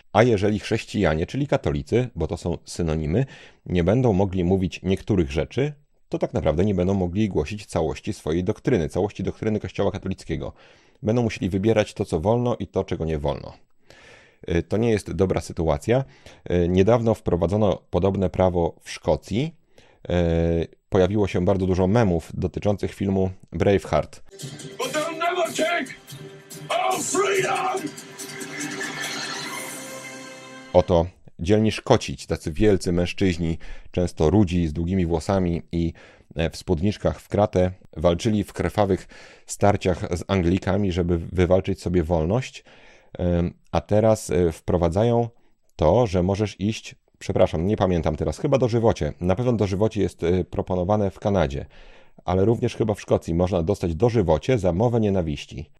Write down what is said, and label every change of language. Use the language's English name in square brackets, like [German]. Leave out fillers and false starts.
[Polish] A jeżeli chrześcijanie, czyli katolicy, bo to są synonimy, nie będą mogli mówić niektórych rzeczy, to tak naprawdę nie będą mogli głosić całości swojej doktryny, całości doktryny Kościoła katolickiego. Będą musieli wybierać to, co wolno i to, czego nie wolno. To nie jest dobra sytuacja. Niedawno wprowadzono podobne prawo w Szkocji. Pojawiło się bardzo dużo memów dotyczących filmu Braveheart. [English] But they'll never take our freedom! [Polish] Oto dzielni Szkoci, tacy wielcy mężczyźni, często rudzi, z długimi włosami i w spódniczkach w kratę, walczyli w krwawych starciach z Anglikami, żeby wywalczyć sobie wolność, a teraz wprowadzają to, że możesz iść, przepraszam, nie pamiętam teraz, chyba dożywocie, na pewno dożywocie jest proponowane w Kanadzie, ale również chyba w Szkocji można dostać dożywocie za mowę nienawiści.